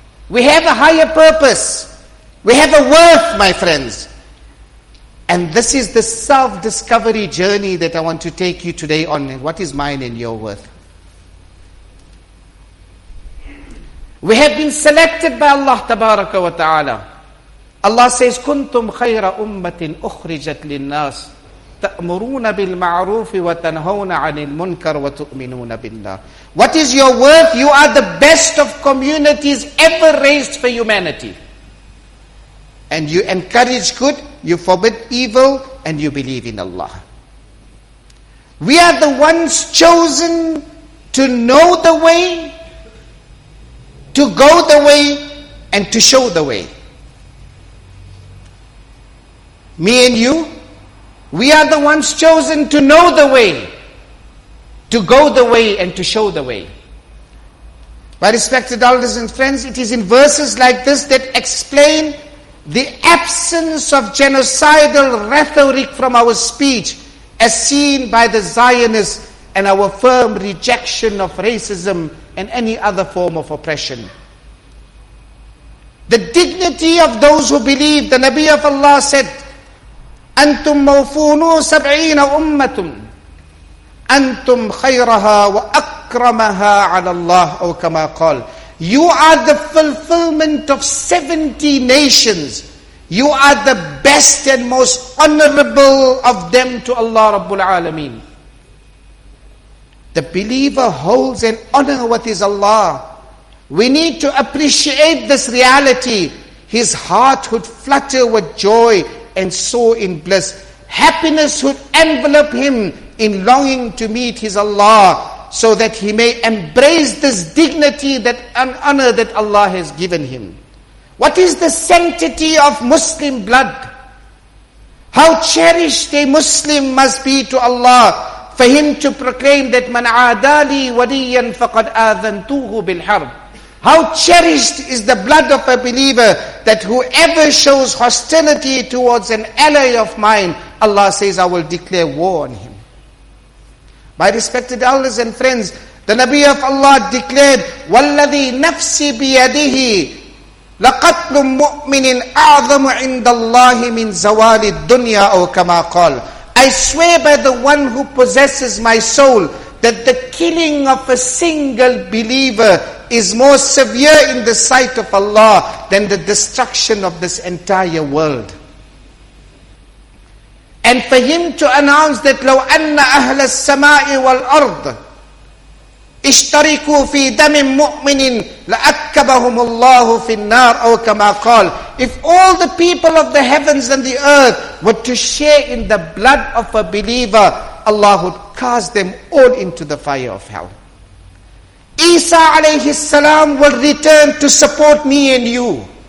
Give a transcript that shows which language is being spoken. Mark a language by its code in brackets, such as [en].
[en] We have a higher purpose. We have a worth, my friends. And this is the self-discovery journey that I want to take you today on. What is mine and your worth? We have been selected by Allah tabaraka wa ta'ala. Allah says, [ar] كُنْتُمْ خَيْرَ أُمَّةٍ أُخْرِجَتْ لِلنَّاسِ تَأْمُرُونَ بِالْمَعْرُوفِ وَتَنْهَوْنَ عَنِ الْمُنْكَرِ وَتُؤْمِنُونَ بِاللَّهِ. [en] What is your worth? You are the best of communities ever raised for humanity. And you encourage good, you forbid evil, and you believe in Allah. We are the ones chosen to know the way, to go the way, and to show the way. Me and you, we are the ones chosen to know the way, to go the way, and to show the way. My respected elders and friends, it is in verses like this that explain the absence of genocidal rhetoric from our speech, as seen by the Zionists, and our firm rejection of racism and any other form of oppression. The dignity of those who believe, the Nabi of Allah said, [ar] أنتم موفونو سبعين أمة أنتم خيرها وأكرمها على الله أو كما قال. [en] You are the fulfillment of 70 nations. You are the best and most honorable of them to Allah Rabbul Alameen. The believer holds and honor what is Allah. We need to appreciate this reality. His heart would flutter with joy and soar in bliss. Happiness would envelop him in longing to meet his Allah, so that he may embrace this dignity that and honor that Allah has given him. What is the sanctity of Muslim blood? How cherished a Muslim must be to Allah for him to proclaim that [ar] man adali waliyan faqad adantuhu bil harb. [en] How cherished is the blood of a believer that whoever shows hostility towards an ally of mine, Allah says, I will declare war on him. My respected elders and friends, the Nabi of Allah declared, [ar] وَالَّذِي نَفْسِ بِيَدِهِ لَقَتْلٌ مُؤْمِنٍ أَعْظَمُ عِنْدَ اللَّهِ مِنْ زَوَالِ الدُّنْيَا أَوْ كَمَا قَالْ. [en] I swear by the one who possesses my soul that the killing of a single believer is more severe in the sight of Allah than the destruction of this entire world. And for him to announce that [ar] لو أن أهل السماء والأرض اشتركوا في دم مؤمن لأكبهم الله في النار أو كما قال. [en] If all the people of the heavens and the earth were to share in the blood of a believer, Allah would cast them all into the fire of hell. Isa alayhi salam will return to support me and you.